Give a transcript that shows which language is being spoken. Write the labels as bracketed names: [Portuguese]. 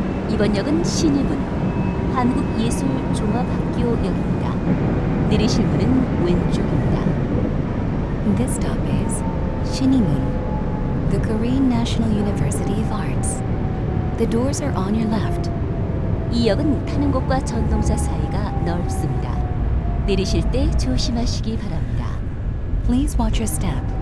[Korean] 이번 역은 신입문 한국예술종합학교역입니다. 내리실 문은 왼쪽입니다. [English] This stop is 신입문, the Korean National University of Arts. The doors are on your left. [Korean] 이 역은 타는 곳과 전동차 사이가 넓습니다. 내리실 때 조심하시기 바랍니다. [English] Please watch your step.